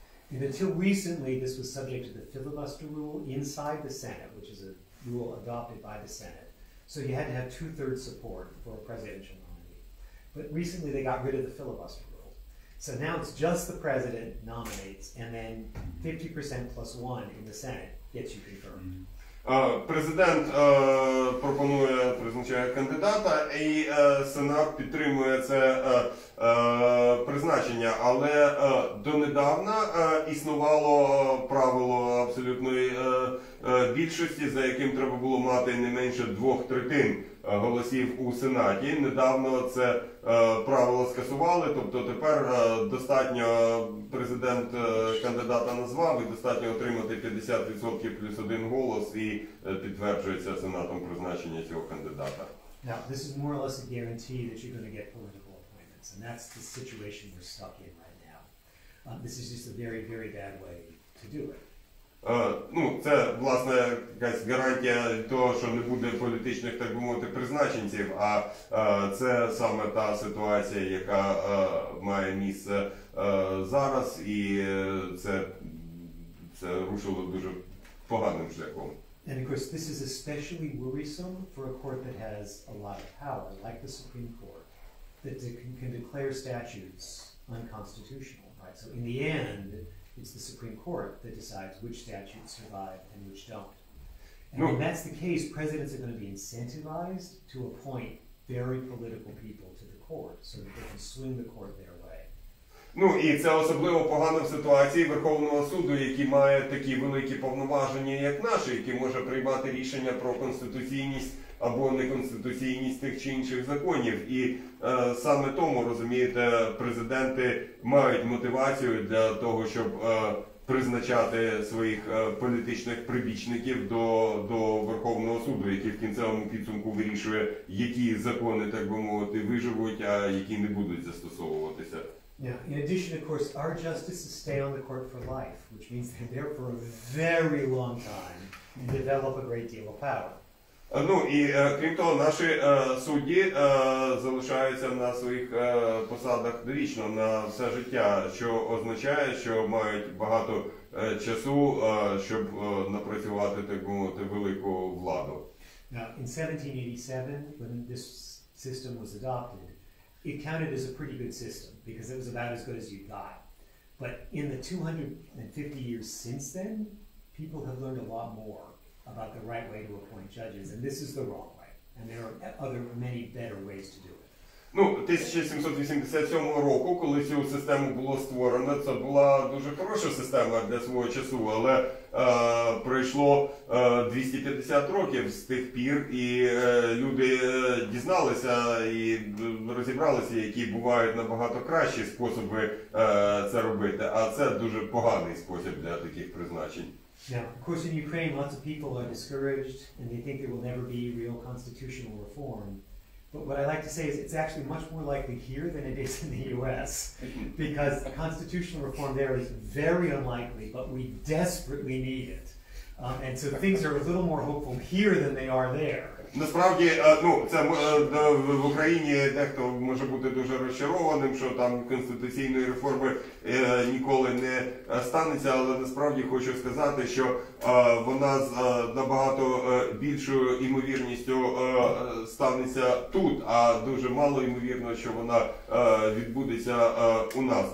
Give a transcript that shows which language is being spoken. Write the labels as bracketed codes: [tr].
[en] And until recently, this was subject to the filibuster rule inside the Senate, which is a rule adopted by the Senate. So you had to have two-thirds support for a presidential nominee. But recently they got rid of the filibuster rule. So now it's just the president nominates and then 50% plus one in the Senate gets you confirmed. Mm-hmm. [uk] Президент пропонує, призначає кандидата, і Сенат підтримує це призначення. Але донедавна існувало правило абсолютної більшості, за яким треба було мати не менше 2/3 голосів у Сенаті. Недавно це правило скасували, тобто тепер достатньо президент кандидата назвав і достатньо отримати 50% плюс один голос і підтверджується Сенатом призначення цього кандидата. [en] Now, this is more or less a guarantee that you're going to get political appointments, and that's the situation we're stuck in right now. This is just a very, very bad way to do it. [uk] Ну, це, власне, якась гарантія того, що не буде політичних, так би мовити, призначенців, а це саме та ситуація, яка має місце зараз, і це рушило дуже поганим шляхом. [en] And of course, this is especially worrisome for a court that has a lot of power, like the Supreme Court, that can declare statutes unconstitutional, right? So in the end, it's the Supreme Court that decides which statutes survive and which don't. And when that's the case, presidents are going to be incentivized to appoint very political people to the court so that they can swing the court their way. [uk] Ну, і це особливо погано в ситуації Верховного суду, який має такі великі повноваження, як наші, який може приймати рішення про конституційність або неконституційність тих чи інших законів. І саме тому, розумієте, президенти мають мотивацію для того, щоб призначати своїх політичних прибічників до Верховного суду, який в кінцевому підсумку вирішує, які закони, так би мовити, виживуть, а які не будуть застосовуватися. [en] Yeah, in addition, of course, our justices stay on the court for life, which means they're there for a very long time and develop a great deal of power. [uk] Ну, і крім того, наші судді залишаються на своїх посадах довічно, на все життя, що означає, що мають багато часу, щоб напрацювати таку велику владу. [en] Now, in 1787, when this system was adopted, it counted as a pretty good system, because it was about as good as you got. But in the 250 years since then, people have learned a lot more about the right way to appoint judges, and this is the wrong way. And there are other many better ways to do it. [uk] Ну, 1787 року, коли цю систему було створено, це була дуже хороша система для свого часу, але пройшло 250 років з тих пір, і люди дізналися і розібралися, які бувають набагато кращі способи це робити. А це дуже поганий спосіб для таких призначень. [en] Now, of course, in Ukraine lots of people are discouraged, and they think there will never be real constitutional reform. But what I like to say is it's actually much more likely here than it is in the US, because the constitutional reform there is very unlikely, but we desperately need it. And so things are a little more hopeful here than they are there. [uk] Насправді, ну, це в Україні дехто може бути дуже розчарованим, що там конституційної реформи ніколи не станеться, але насправді хочу сказати, що вона з набагато більшою імовірністю станеться тут, а дуже мало ймовірно, що вона відбудеться у нас.